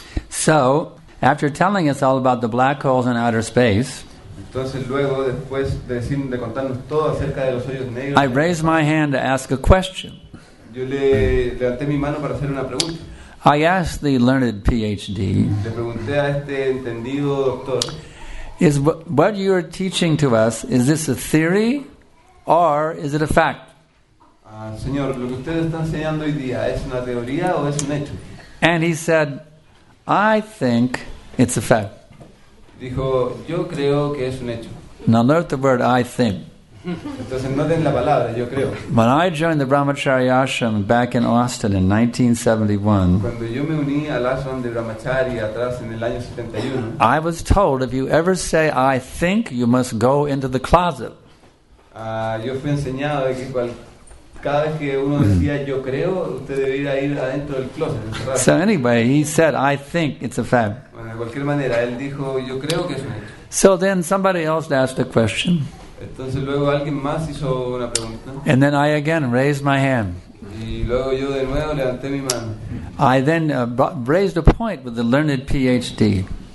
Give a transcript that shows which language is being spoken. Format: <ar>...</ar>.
<en>So, after telling us all about the black holes in outer space,</en> <es>entonces luego después de contarnos todo acerca de los hoyos negros,</es> <en>I raised my hand to ask a question.</en> <es>Yo le levanté mi mano para hacer una pregunta.</es> <en>I asked the learned PhD.</en> <es>Le pregunté a este entendido doctor.</es> <en>Is what you are teaching to us, is this a theory or is it a fact?</en> <es>Señor, lo que usted está enseñando hoy día, ¿es una teoría o es un hecho?</es> <en>And he said, I think it's a fact.</en> <es>Dijo, yo creo que es un hecho.</es> <en>Now note the word I think.</en> <es>Entonces, no den la palabra, yo creo.</es> <en>When I joined the Brahmacharya Ashram back in Austin in 1971,</en> <es>cuando yo me uní al Ashram de Brahmacharya atrás en el año 71,</es> <en>I was told if you ever say I think, you must go into the closet.</en> <es>Yo fui enseñado de que cada vez que uno decía yo creo, usted debería ir adentro del closet.</es> <en>So anyway, he said I think it's a fact.</en> <es>Bueno, de cualquier manera, él dijo yo creo que es un hecho.</es> <en>So then somebody else asked a question.</en> <es>Entonces luego alguien más hizo una pregunta.</es> <en>And then I again raised my hand.</en> <es>Y luego yo de nuevo levanté mi mano.</es> <en>I then raised a point with the learned PhD.</en>